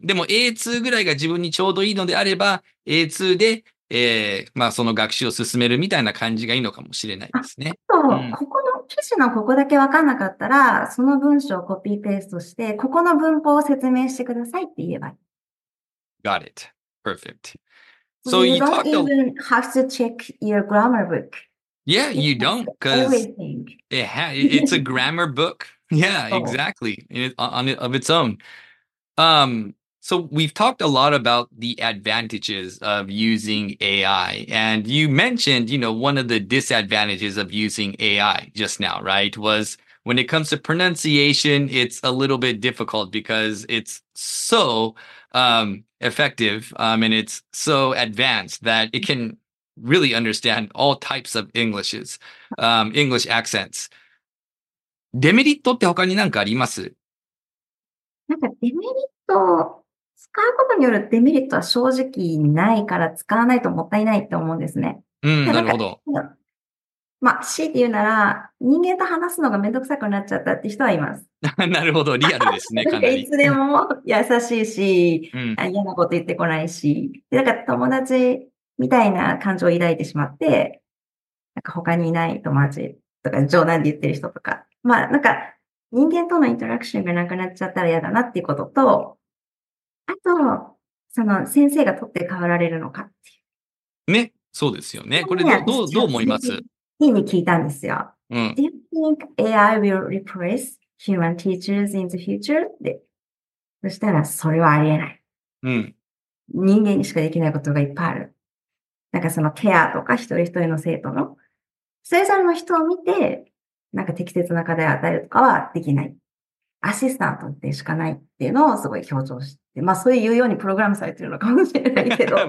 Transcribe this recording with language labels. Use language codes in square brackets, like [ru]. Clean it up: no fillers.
[ja] でも A2 ぐらいが自分にちょうどいいのであれば、A2 で、まあその学習を進めるみたいな感じがいいのかもしれないですね。あと、ここの記事のここだけわかんなかったら、その文章をコピーペーストして、ここの文法を説明してくださいって言えばいい。 [en] Got it. Perfect. So you don't even have to check your grammar book. Yeah, you don't, because it's a grammar book. Yeah, exactly. Of its own. So we've talked a lot about the advantages of using AI. And you mentioned, one of the disadvantages of using AI just now, right? Was when it comes to pronunciation, it's a little bit difficult because it's so... effective, and it's so advanced that it can really understand all types of Englishes, English accents. [ja] デメリットって他に何かあります？なんかデメリット、使うことによるデメリットは正直ないから使わないともったいないと思うんですね。なるほど。まあ、強いて言うなら、人間と話すのがめんどくさくなっちゃったって人はいます。なるほど、リアルですね、かなり。いつでも優しいし、うん、嫌なこと言ってこないし、で、なんか友達みたいな感情を抱いてしまって、なんか他にいない友達とか冗談で言ってる人とか、まあ、なんか人間とのインタラクションがなくなっちゃったら嫌だなっていうことと、あと、その先生が取って代わられるのかっていう。ね、そうですよね。これどう思います？に聞いたんですよ。 [en] Do you think AI will replace human teachers in the future? [ja] で、そしたらそれはありえない。人間にしかできないことがいっぱいある。なんかそのケアとか一人一人の生徒の、それぞれの人を見て、なんか適切な課題を与えるとかはできない。アシスタントでしかないっていうのをすごい強調して、まあそういうようにプログラムされてるのかもしれないけど。